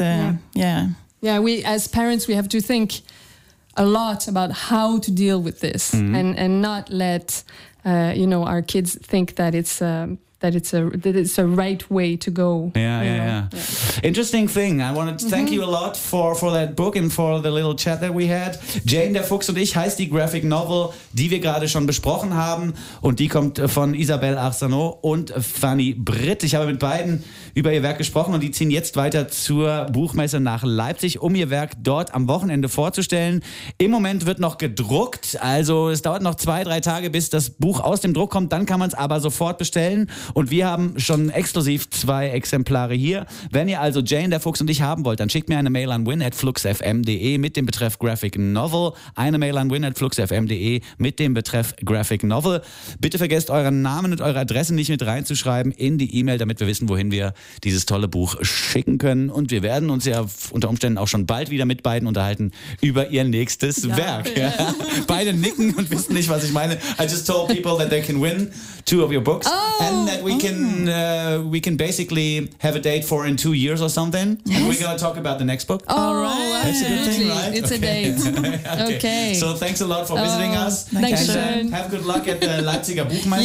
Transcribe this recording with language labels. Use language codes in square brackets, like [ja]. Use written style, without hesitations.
[en] we as parents, we have to think a lot about how to deal with this, and not let our kids think that it's a right way to go. Interesting thing. I wanted to thank you a lot for that book and for the little chat that we had. [de] Jane, der Fuchs und ich heißt die Graphic Novel, die wir gerade schon besprochen haben, und die kommt von Isabelle Arsenault und Fanny Britt. Ich habe mit beiden über ihr Werk gesprochen, und die ziehen jetzt weiter zur Buchmesse nach Leipzig, um ihr Werk dort am Wochenende vorzustellen. Im Moment wird noch gedruckt, also es dauert noch 2-3 Tage, bis das Buch aus dem Druck kommt, dann kann man es aber sofort bestellen. Und wir haben schon exklusiv zwei Exemplare hier. Wenn ihr also Jane, der Fuchs und ich haben wollt, dann schickt mir eine Mail an win@fluxfm.de mit dem Betreff Graphic Novel. Eine Mail an win@fluxfm.de mit dem Betreff Graphic Novel. Bitte vergesst euren Namen und eure Adresse nicht mit reinzuschreiben in die E-Mail, damit wir wissen, wohin wir dieses tolle Buch schicken können. Und wir werden uns ja unter Umständen auch schon bald wieder mit beiden unterhalten über ihr nächstes Werk. Ja. Beide nicken und wissen nicht, was ich meine. [en] I just told people that they can win two of your books and that we can basically have a date for in 2 years or something. Yes. And we're going to talk about the next book. All right. That's a good thing, right? It's okay. A date. Okay. So thanks a lot for visiting us. Thank you. Have good luck at the Leipziger Buchmesse.